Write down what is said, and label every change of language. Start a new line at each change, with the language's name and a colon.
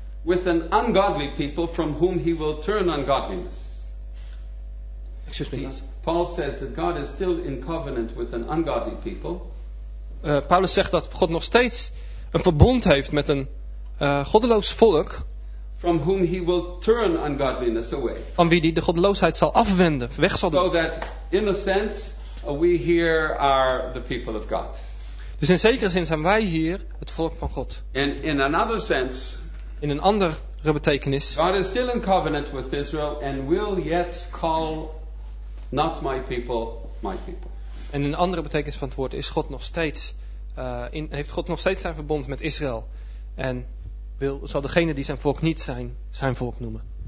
English: with an ungodly people from whom he will turn ungodliness. Excuse me. Paul says that God is still in covenant with an ungodly people.
Dutch: Paulus zegt dat God nog steeds een verbond heeft met een goddeloos volk.
English: From whom he will turn ungodliness away.
Dutch: Van wie die de goddeloosheid zal afwenden, weg zal doen.
English: So that in a sense we here are the people of God.
Dutch: Dus in zekere zin zijn wij hier het volk van God.
English: And in another sense,
Dutch: in een andere betekenis,
English: God is still in covenant with Israel and will yet call not my people, my people.
Dutch: En een andere betekenis van het woord is God nog steeds heeft God nog steeds zijn verbond met Israël en zal degene die zijn volk niet zijn, zijn volk noemen.